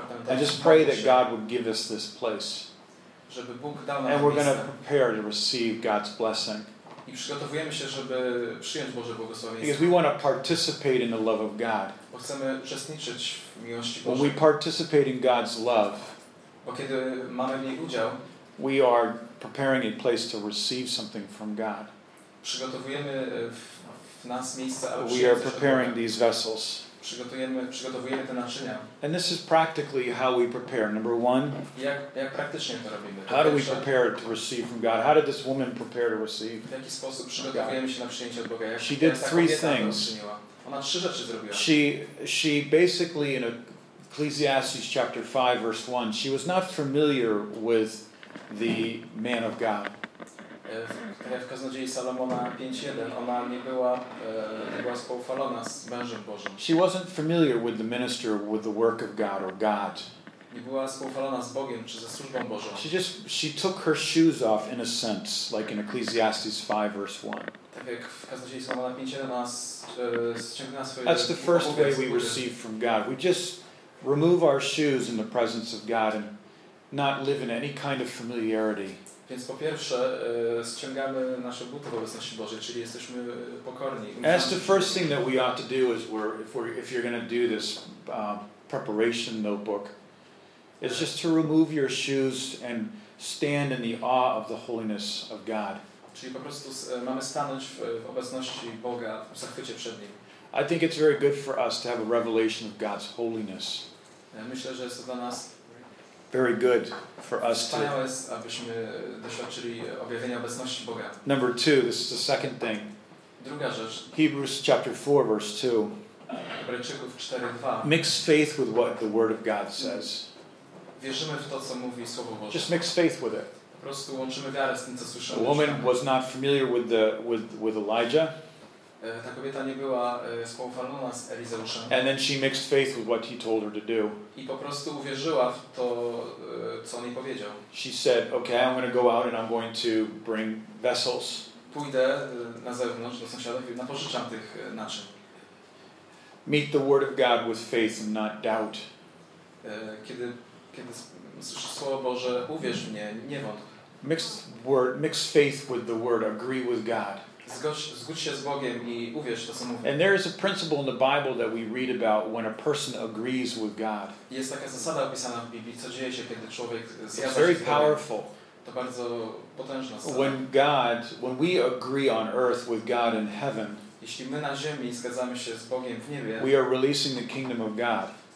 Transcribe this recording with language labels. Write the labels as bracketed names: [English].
[English] And just pray that God would give us this place. [Polish] Żeby Bóg dał nam [English] and we're going to prepare to receive God's blessing. [Polish] I przygotowujemy się, żeby przyjąć Boże błogosławieństwo. [English] Because we want to participate in the love of God. [Polish] Bo chcemy uczestniczyć w miłości Bożej. [English] When we participate in God's love, [Polish] bo kiedy mamy w niej udział, [English] we are preparing a place to receive something from God. [Polish] Przygotowujemy w nas miejsce, aby [English] we are preparing these vessels. [Polish] Przygotowujemy te naczynia. [English] And this is practically how we prepare. Number one, [Polish] jak praktycznie to robimy? [English] How do we prepare to receive from God? How did this woman prepare to receive? [Polish] W jaki sposób przygotowujemy się na przyjęcie od Boga? [English] She did three things. [Polish] Ona trzy rzeczy zrobiła. [English] She basically in a Ecclesiastes chapter 5 verse 1. She was not familiar with the man of God. [Polish] W kaznodziei Salomona 5:1 ona nie była spoufalona z mężem Bożym. [English] She wasn't familiar with the minister, with the work of God or God. [Polish] Nie była spoufalona z Bogiem czy ze służbą Bożą. [English] She took her shoes off in a sense, like in Ecclesiastes 5 verse 1. [Polish] Tak jak w kaznodziei Salomona 5:1 ona ściągnęła swoje. [English] That's the first way we receive from God. We just remove our shoes in the presence of God and not live in any kind of familiarity. [Polish] Więc po pierwsze, ściągamy nasze buty w obecności Bożej, czyli jesteśmy pokorni. [English] That's the first thing that we ought to do is if you're going to do this preparation notebook, is just to remove your shoes and stand in the awe of the holiness of God. [Polish] Czyli po prostu mamy stanąć w obecności Boga, w zachwycie przed Nim. [English] I think it's very good for us to have a revelation of God's holiness. [Polish] Myślę, że jest to dla nas [English] very good for us to. [Polish] Wspaniałe jest, abyśmy doświadczyli objawienia obecności Boga. [English] Number two, this is the second thing. [Polish] Druga rzecz. [English] Hebrews chapter 4, verse 2. [Polish] Hebrajczyków 4:2. [English] Mix faith with what the Word of God says. [Polish] Wierzymy w to, co mówi Słowo Boże. [English] Just mix faith with it. [Polish] Po prostu łączymy wiarę z tym, co słyszymy. [English] The woman was not familiar with Elijah. [Polish] Ta kobieta nie była spoufalona z Elizeuszem. [English] And then she mixed faith with what he told her to do. [Polish] I po prostu uwierzyła w to, co on jej powiedział. [English] She said, okay, I'm going to go out and I'm going to bring vessels. [Polish] Pójdę na zewnątrz do sąsiadów i napożyczam tych naczyń. [English] Meet the word of God with faith and not doubt. [Polish] Kiedy słyszysz Słowo Boże, uwierz w nie, nie wątp. [English] Mix faith with the word, agree with God. [Polish] Zgódź się z Bogiem i uwierz to, co mówię. [English] And there is a principle in the Bible that we read about when a person agrees with God. [Polish] Jest taka zasada opisana w Biblii, co dzieje się, kiedy człowiek zgadza się z Bogiem. [English] It's very powerful. [Polish] To bardzo potężna zasada. [English] When we agree on earth with God in heaven, [Polish] jeśli my na ziemi zgadzamy się z Bogiem w niebie, [English] we are releasing the kingdom of God.